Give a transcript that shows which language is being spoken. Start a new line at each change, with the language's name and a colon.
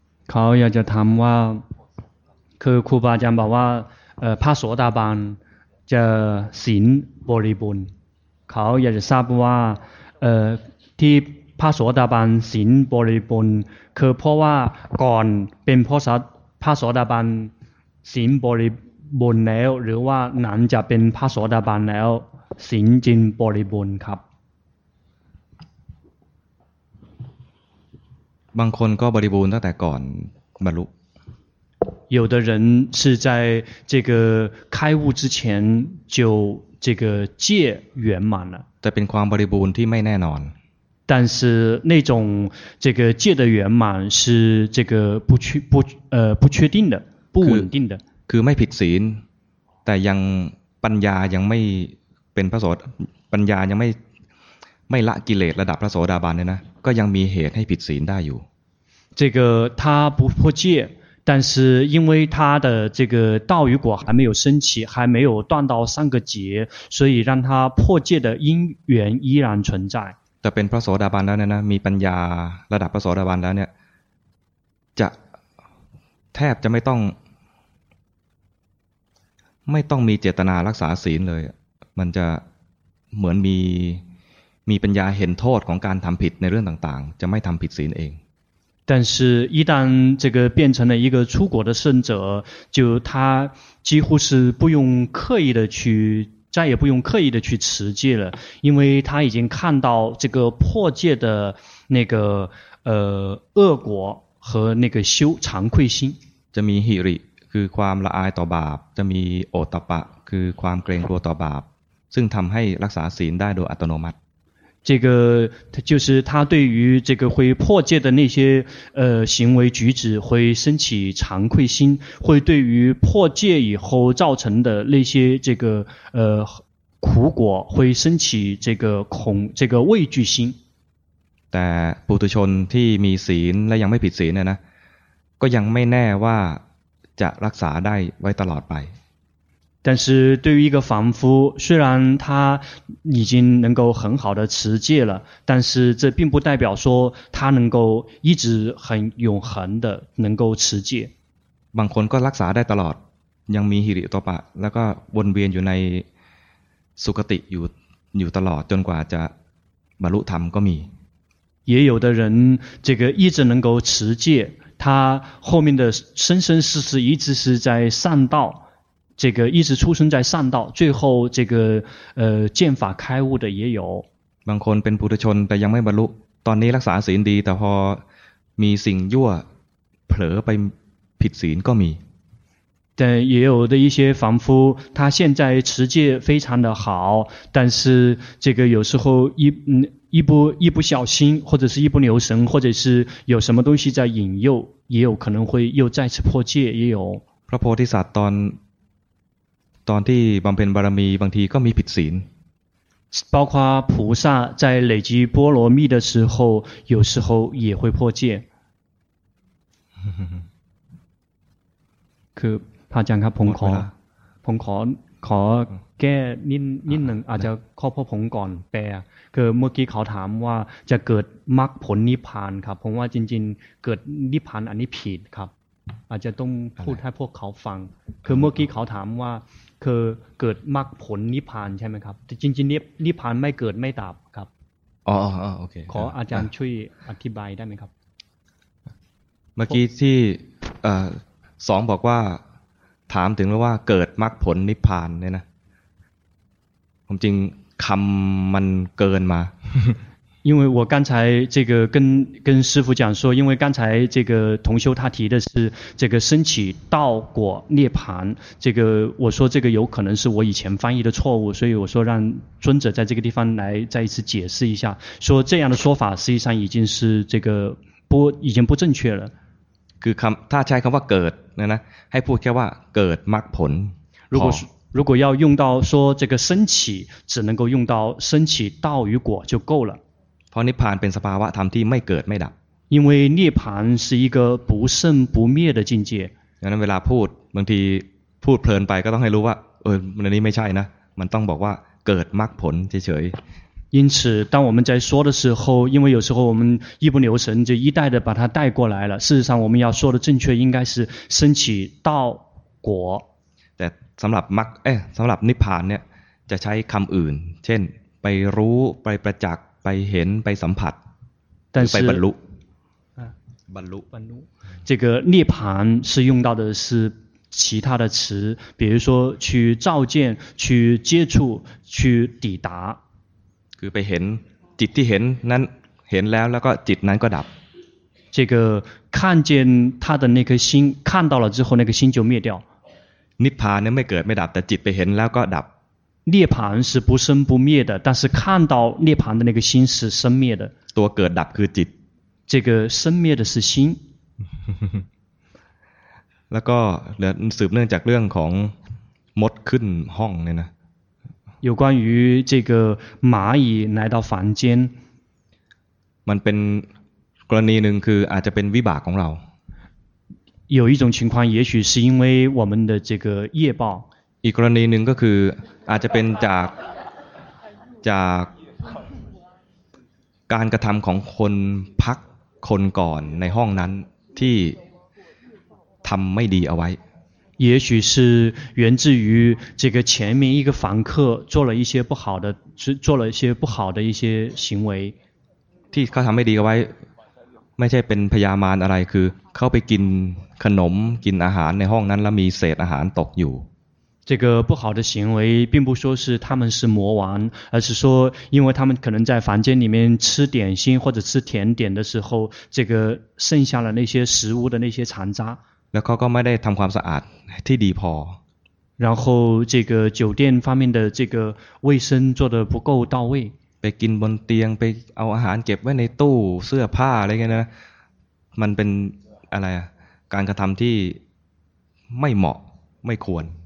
Thai: เขาอยากจะถามว่าคือครูบาอาจารย์บอกว่าพระโสดาบันจะศีลบริบูรณ์เขาอยากจะทราบว่าที่พระโสดาบันศีลบริบูรณ์คือเพราะว่าก่อนเป็นพระโสดาบันศีลบริบูรณ์แล้วหรือว่าหลังจะเป็นพระโสดาบันแล้วศีลจึงบริบูรณ์ครับ บางคนก็บริบูรณ์ตั้งแต่ก่อนบรรลุ
Chinese: 有的人是在这个开悟之前就这个戒圆满了
Thai: แต่เป็นความบริบูรณ์ที่ไม่แน่นอน
Chinese: 但是那种这个戒的圆满是这个不确定的不稳定的
Thai: คือไม่ผิดศีลแต่ยังปัญญายังไม่เป็นพระโสดปัญญายังไม่ละกิเลสระดับพระโสดาบันเนี่ยนะก็ยังมีเหตุให้ผิดศีลได้อยู่
Chinese: 这个他不破戒但是因为他的这个道与果还没有升起还没有断到三个劫所以让他破戒的因缘依然存在
Thai: แต่เป็นพระโสดาบันแล้วเนี่ยนะมีปัญญาระดับพระโสดาบันแล้วเนี่ยจะแทบจะไม่ต้องมีเจตนารักษาศีลเลยมันจะเหมือนมีปัญญาเห็นโทษของการทำผิดในเรื่องต่างๆจะไม่ทำผิดศีลเอง
Chinese: 但是一旦这个变成了一个出果的圣者就他几乎是不用刻意的去再也不用刻意的去持戒了因为他已经看到这个破戒的那个恶果和那个修惭愧心
Thai: จะมีหิริคือความละอายต่อบาปจะมีโอตตัปปะคือความเกรงกลัวต่อบาปซึ่งทำให้รักษาศีลได้โดยอัตโนมัติ
Chinese: 这个就是他对于这个会破戒的那些行为举止会升起惭愧心会对于破戒以后造成的那些这个苦果会升起这个恐这个畏惧心
Thai: แต่ปุถุชนที่มีศีลและยังไม่ผิดศีลเนี่ยนะก็ยังไม่แน่ว่าจะรักษาได้ไว้ตลอดไป
Chinese: 但是对于一个凡夫虽然他已经能够很好的持戒了但是这并不代表说他能够一直很永恒的能够持戒
Thai: บางคนก็รักษาได้ตลอดยังมีหิริโอตตัปปะแล้วก็วนเวียนอยู่ในสุคติอยู่ตลอดจนกว่าจะบรรลุธรรมก็มี
Chinese: 也有的人这个一直能够持戒他后面的生生世世一直是在善道这个一直出生在善道最后这个见法开悟的也有
Thai: บางคนเป็นปุถุชนแต่ยังไม่บรรลุตอนนี้รักษาศีลดีแต่พอมีสิ่งยั่วเผลอไปผิดศีลก็มี แต่
Chinese: 也有的一些凡夫他现在持戒非常的好但是这个有时候一不小心或者是一不留神或者是有什么东西在引诱也有可能会又再次破戒也有
Thai: พระโพธิสัตว์ตอนที่บำเพ็ญบารมีบางทีก็มีผิดศีล
Chinese: 包括菩萨在累积波罗蜜的时候有时候也会破戒
Thai: คือพระอาจารย์ครับผมขอแก้นิดหนึ่งอาจจะข้อพ่อผมก่อนแปลคือเมื่อกี้เขาถามว่าจะเกิดมรรคผลนิพพานครับผมว่าจริงๆเกิดนิพพานอันนี้ผิดครับ อาจจะต้องพูดให้พวกเขาฟังคือเมื่อกี้เขาถามว่าคือเกิดมรรคผลนิพพานใช่ไหมครับจริงจริงนิพพานไม่เกิดไม่ดับครับ อ๋อโอเค ขออาจารย์ช่วยอธิบายได้ไหมครับ เมื่อกี้ที่สองบอกว่าถามถึงแล้วว่าเกิดมรรคผลนิพพานเนี่ยนะผมจริงคำมันเกินมา
Chinese: 因为我刚才这个跟师父讲说因为刚才这个同修他提的是这个升起道果涅槃这个我说这个有可能是我以前翻译的错误所以我说让尊者在这个地方来再一次解释一下说这样的说法实际上已经是这个不已经不正确了他
Thai: ใช้คำว่าเกิดนะนะให้พูดแค่ว่าเกิดมรรคผล
Chinese: 如果要用到说这个升起只能够用到升起道与果就够了
Thai: เพราะนิพพานเป็นสภาวะธรรมที่ไม่เกิดไม่ดับ
Chinese: 因为涅槃是一个不生不灭的境界
Thai: ดังนั้นเวลาพูดบางทีพูดเพลินไปก็ต้องให้รู้ว่าเออมันนี้ไม่ใช่นะมันต้องบอกว่าเกิดมรรคผลเฉย
Chinese: ๆ因此当我们在说的时候因为有时候我们一不留神就一带的把它带过来了事实上我们要说的正确应该是升起道果
Thai: แต่สำหรับมรรคสำหรับนิพพานเนี่ยจะใช้คำอื่นเช่นไปรู้ไปประจักษ์ไปเห็นไปสัมผัส แต่ ไปบรรลุ บรรลุ
Chinese: 这个涅槃是用到的是其他的词比如说去照见去接触去抵达
Thai: คือไปเห็นจิตที่เห็นนั้นเห็นแล้วแล้วก็จิตนั้นก็ดับ
Chinese: 这个看见他的那颗心看到了之后那个心就灭掉
Thai: นิพพานเนี่ยไม่เกิดไม่ดับแต่จิตไปเห็นแล้วก็ดับ
Chinese: 涅槃是不生不灭的但是看到涅槃的那个心是生灭的
Thai: ตัวเกิดดับคือจิต
Chinese: 这个生灭的是心
Thai: แล้วก็สืบเนื่องจากเรื่องของมดขึ้นห้องเนี่ยนะ
Chinese: 有关于这个蚂蚁来到房间
Thai: มันเป็นกรณีหนึ่งคืออาจจะเป็นวิบากของเรา
Chinese: 有一种情况也许是因为我们的这个业报
Thai: อีกกรณีหนึ่งก็คืออาจจะเป็นจากการกระทำของคนพักคนก่อนในห้องนั้นที่ทำไม่ดีเอาไว้
Chinese: 也许是源自于这个前面一个房客做了一些不好的做了一些不好的一些行为
Thai: ที่เขาทำไม่ดีเอาไว้ไม่ใช่เป็นพยามาลอะไรคือเข้าไปกินขนมกินอาหารในห้องนั้นแล้วมีเศษอาหารตกอยู่
Chinese: 这个不好的行为并不说是他们是魔王而是说因为他们可能在房间里面吃点心或者吃甜点的时候这个剩下了那些食物的那些残渣
Thai: แล้วเขาก็ไม่ได้ทำความสะอาดที่ดีพอ
Chinese: 然后这个酒店方面的这个卫生做得不够到位
Thai: ไปกินบนเตียงไปเอาอาหารเก็บไว้ในตู้เสื้อผ้าอะไรเงี้ยนะมันเป็นอะไรการกระทำที่ไม่เหมาะไม่ควร